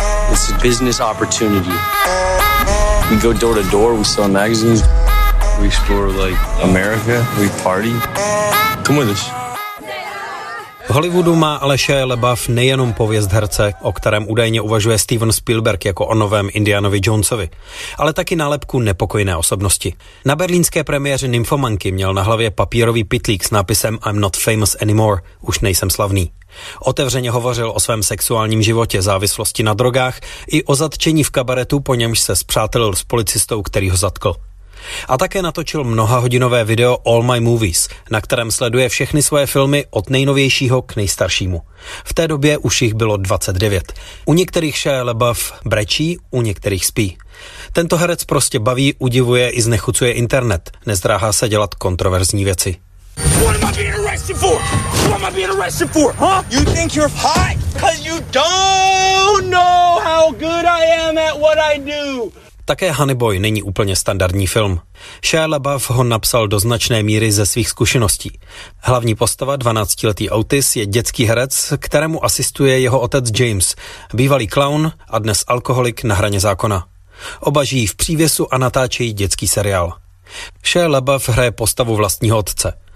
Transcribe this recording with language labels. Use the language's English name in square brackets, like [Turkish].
[English] It's a business opportunity. We go door to door, we sell magazines. We explore like America, we party. Come with us. [Czech] V Hollywoodu má ale Shia LaBeouf nejenom pověst herce, o kterém údajně uvažuje Steven Spielberg jako o novém Indianovi Jonesovi, ale taky nálepku nepokojné osobnosti. Na berlínské premiéře Nymfomanky měl na hlavě papírový pytlík s nápisem I'm not famous anymore, už nejsem slavný. Otevřeně hovořil o svém sexuálním životě, závislosti na drogách i o zatčení v kabaretu, po němž se spřátelil s policistou, který ho zatkl. A také natočil mnohahodinové video All My Movies, na kterém sleduje všechny svoje filmy od nejnovějšího k nejstaršímu. V té době už jich bylo 29. U některých Shia LaBeouf brečí, u některých spí. Tento herec prostě baví, udivuje i znechucuje internet. Nezdráhá se dělat kontroverzní věci. [English] What am I being arrested for? What am I being arrested for, huh? You think you're hot? 'Cause you don't know how good I am at what I do. [Czech] Také Honey Boy není úplně standardní film. Shia LaBeouf ho napsal do značné míry ze svých zkušeností. Hlavní postava, 12-letý Otis, je dětský herec, kterému asistuje jeho otec James, bývalý clown a dnes alkoholik na hraně zákona. Oba žijí v přívěsu a natáčejí dětský seriál. Shia LaBeouf hraje postavu vlastního otce.